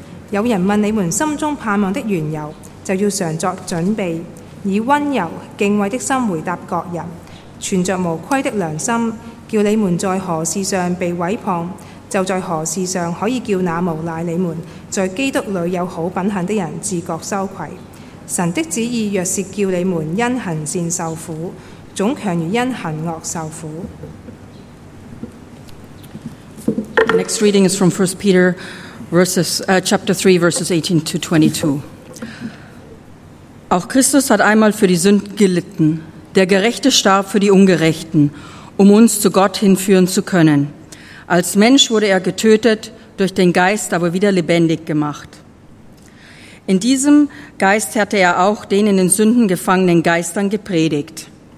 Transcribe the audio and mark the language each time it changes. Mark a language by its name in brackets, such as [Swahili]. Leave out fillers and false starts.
[Chinese] 有人问你们心中盼望的缘由，就要常作准备，以温柔敬畏的心回答各人，存着无愧的良心，叫你们在何事上被毁谤，就在何事上可以叫那无赖你们在基督里有好品行的人自觉羞愧。神的旨意若是叫你们因行善受苦，总强如因行恶受苦。 [English] The next reading is from 1 Peter chapter 3, verses 18 to 22. [German] Auch Christus hat einmal für die Sünden gelitten. Der Gerechte starb für die Ungerechten, um uns zu Gott hinführen zu können. Als Mensch wurde er getötet, durch den Geist aber wieder lebendig gemacht. In diesem Geist hatte er auch den in den Sünden gefangenen Geistern gepredigt.